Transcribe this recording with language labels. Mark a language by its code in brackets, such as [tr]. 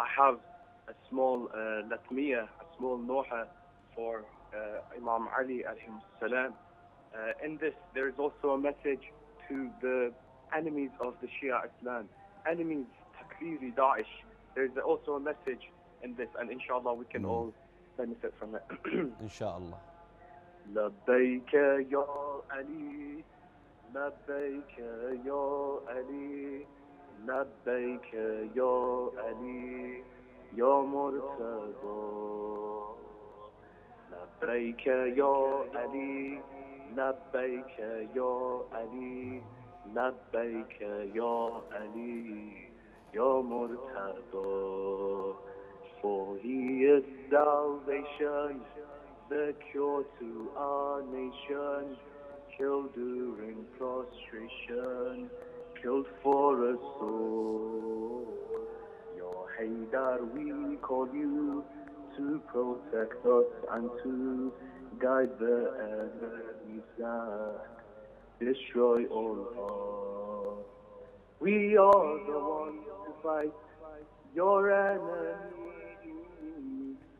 [en] I have a small latmiya, a small noha for Imam Ali alayhim salam. In this, there is also a message to the enemies of the Shia Islam, enemies takfiri Daesh. There is also a message in this, and inshallah, we can all benefit from it. Inshallah. [ar] لبيك يا علي لبيك يا علي لبيك يا علي يا مرتضى لبيك يا علي لبيك يا علي لبيك يا علي يا مرتضى [en] for he is salvation the cure to our nation, killed during prostration, killed for a soul. Your Haydar, we call you to protect us and to guide the enemy back, destroy all harm. We are the ones to fight your enemy.